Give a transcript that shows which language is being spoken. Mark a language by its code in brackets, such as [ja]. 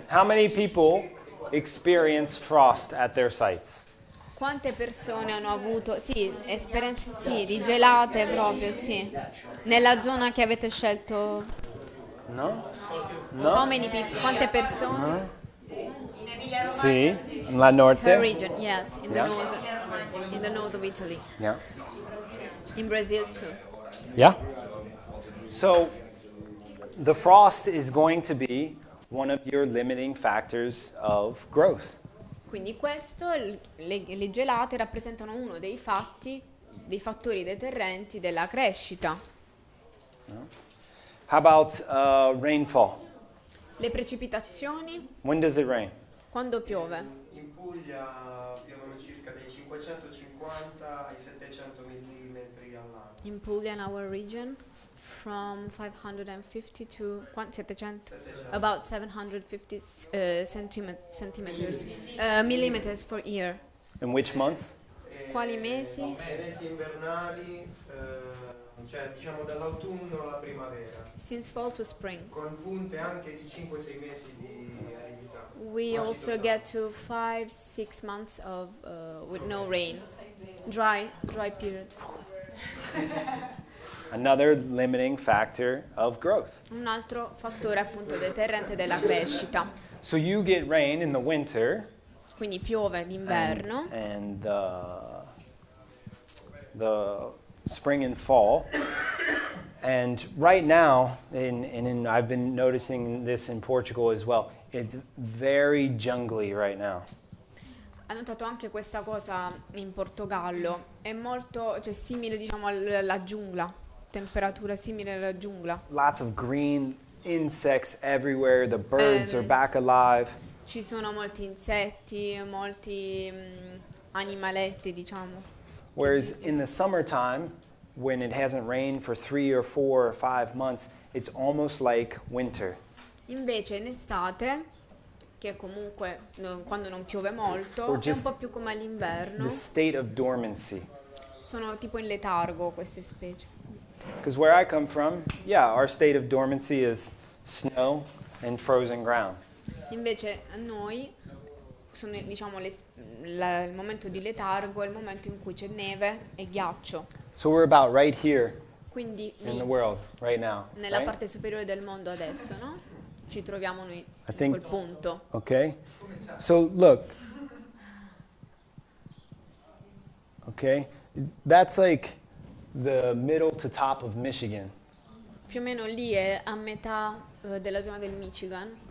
[en] How many people experience frost at their sites? [it] Quante persone hanno avuto, sì, esperienze, sì, di gelate proprio, sì, nella zona che avete scelto? [en] No? No? [it] Quante persone? No. Sì, la norte. [en] Per region, yes, in the, yeah. North, in the north of Italy. Yeah. In Brazil too. Yeah. So, the frost is going to be one of your limiting factors of growth. [it] Quindi questo, le gelate rappresentano uno dei fatti, dei fattori deterrenti della crescita. [en] How about rainfall? [it] Le precipitazioni. [en] When does it rain? [it] Quando piove? In Puglia piovono circa dai 550 ai 700 mm all'anno. [en] In Puglia, in our region, from 550 to 700, about 750 centimeters, millimeters for year. In which months? [it] Quali mesi? Mesi invernali, cioè diciamo dall'autunno alla primavera. [en] Since fall to spring. [it] Con punte anche di 5-6 mesi di aridità. [en] We also get to 5-6 months of with no rain, dry period. Another limiting factor of growth. [it] Un altro fattore appunto deterrente della crescita. [en] So you get rain in the winter. [it] Quindi piove d'inverno. [en] And the spring and fall. And right now, and I've been noticing this in Portugal as well. It's very jungly right now. [it] ha notato anche questa cosa in Portogallo, è molto, cioè, simile, diciamo, alla giungla, temperatura simile alla giungla. [en] Lots of green insects everywhere, the birds are back alive. [it] Ci sono molti insetti, molti animaletti, diciamo. [en] Whereas in the summertime, when it hasn't rained for 3 or 4 or 5 months, it's almost like winter. [it] Invece in estate, che comunque quando non piove molto, è un po' più come all'inverno. [en] The state of dormancy. [it] Sono tipo in letargo queste specie. [en] Because where I come from, yeah, our state of dormancy is snow and frozen ground. [it] Invece a noi sono, diciamo, il momento di letargo è il momento in cui c'è neve e ghiaccio. [en] So we're about right here. [it] Quindi [en] in the world right now. [it] Nella [en] right? [it] parte superiore del mondo adesso, no? Ci troviamo noi in think, quel punto. [en] Okay. So look. Okay. That's like the middle to top of Michigan. [it] Più o meno lì è a metà della zona del Michigan.